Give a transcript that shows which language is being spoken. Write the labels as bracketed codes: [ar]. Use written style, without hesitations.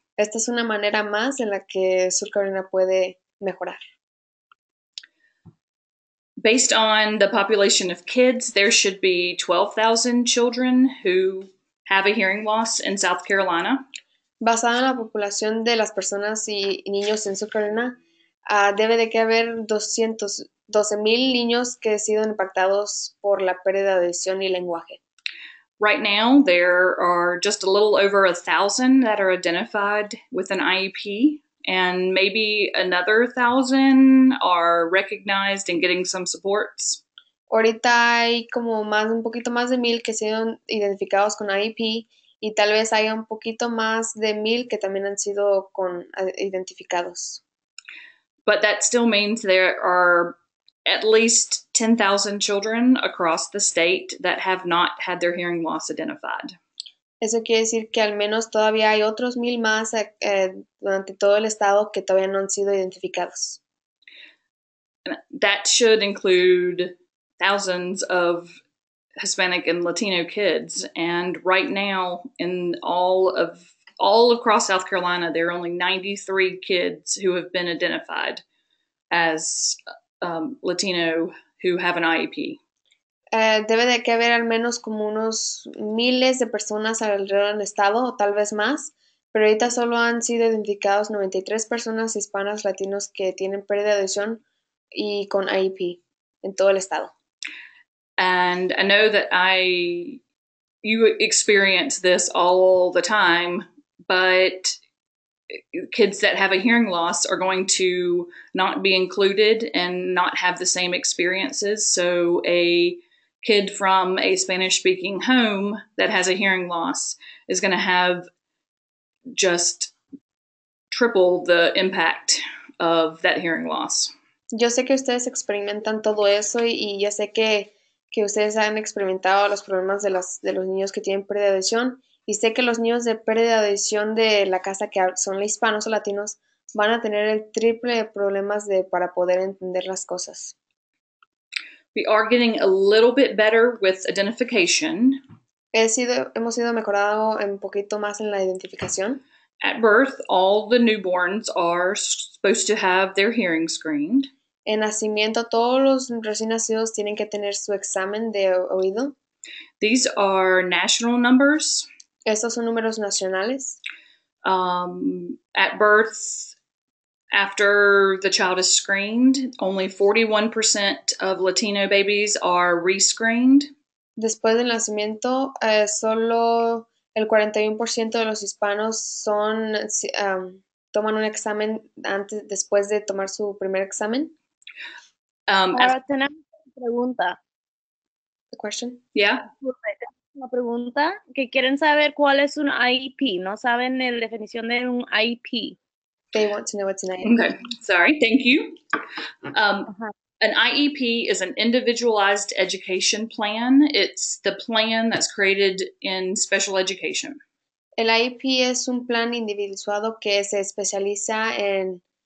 [es] Esta es una manera más en la que Sur Carolina puede mejorar. [en] Based on the population of kids, there should be 12,000 children who have a hearing loss in South Carolina. [es] Basada en la población de las personas y niños en Sur Carolina, debe de que haber 12,000 niños que han sido impactados por la pérdida de audición y lenguaje. [en] Right now, there are just a little over 1,000 that are identified with an IEP, and maybe another 1,000 are recognized and getting some supports. [es] Ahorita hay como más un poquito más de 1,000 que han sido identificados con IEP, y tal vez haya un poquito más de 1,000 que también han sido identificados. [en] But that still means there are at least 10,000 children across the state that have not had their hearing loss identified. [es] Eso quiere decir que al menos todavía hay otros 1,000 más durante todo el estado que todavía no han sido identificados. [en] That should include thousands of Hispanic and Latino kids. And right now, in all across South Carolina, there are only 93 kids who have been identified as Latino who have an IEP. [es] Debe de que haber al menos como unos miles de personas alrededor del estado, o tal vez más, pero ahorita solo han sido identificados 93 personas hispanas latinos que tienen pérdida de audición y con IEP en todo el estado. [en] And I know that you experience this all the time, but kids that have a hearing loss are going to not be included and not have the same experiences. So a kid from a Spanish-speaking home that has a hearing loss is going to have just triple the impact of that hearing loss. [es] Yo sé que ustedes experimentan todo eso y ya sé que ustedes han experimentado los problemas de los niños que tienen pérdida de audición. Y sé que los niños de pérdida de audición de la casa que son hispanos o latinos van a tener el triple de problemas para poder entender las cosas. [en] We are getting a little bit better with identification. [es] Hemos sido mejorado un poquito más en la identificación. [en] At birth, all the newborns are supposed to have their hearing screened. [es] En nacimiento, todos los recién nacidos tienen que tener su examen de oído. [en] These are national numbers. [es] Estos son números nacionales. [en] At birth, after the child is screened, only 41% of Latino babies are rescreened. [es] Después del nacimiento, solo el 41% de los hispanos toman un examen después de tomar su primer examen. Ahora tenemos una pregunta. [en] A question? Yeah. [es] Una pregunta, que quieren saber cuál es un IEP, no saben la definición de un IEP. [en] They want to know what's an IEP. Okay, sorry, thank you. Uh-huh. An IEP is an individualized education plan. It's the plan that's created in special education. [es] El IEP es un plan individualizado que se especializa en